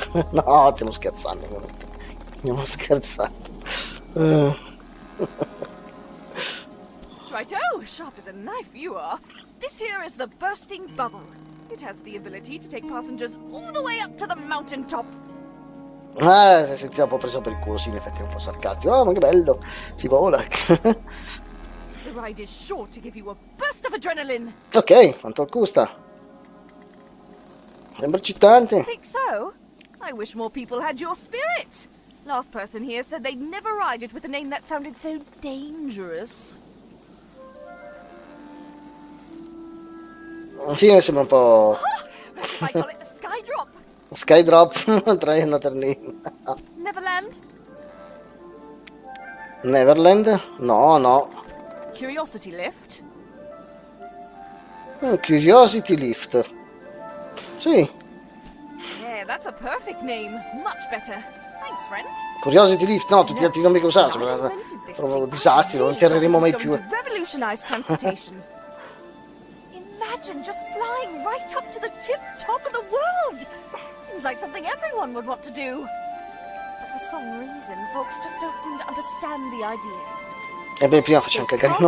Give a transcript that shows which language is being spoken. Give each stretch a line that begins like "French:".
Italian: No, stiamo scherzando ovviamente. Stiamo scherzando.
English: Righto, sharp as a knife you are. This here is the bursting bubble. It has the ability to take passengers all the way up to the mountain top.
Italian: Ah, si è sentito un po' preso per il culo, sì, in effetti è un po' sarcastico. Oh, ma che bello! Si vola.
English: Ride is sure to give you a burst of adrenaline.
Italian: Ok, quanto costa? Sembra eccitante.
English: I think so. I wish more people had your spirit. Last person here said they'd never ride it with a name that sounded so dangerous.
Italian: Sì, mi sembra un po'.
English: That's why I call it the sky drop. Sky drop, try another name. Neverland. Neverland? No, no. Curiosity lift?
Italian: Curiosity lift. Sì.
English: Yeah, that's a perfect name. Much better. Thanks, friend.
Italian: Curiosity Lift, no, tutti gli altri nomi che usate, sono disastri, non interreremo mai più.
English: Imagine just flying right up to the tip top of the world. Seems like something everyone would want to do. But for some reason, folks just don't seem to understand the idea.
Italian: Ebbene, prima facciamo cagare, no?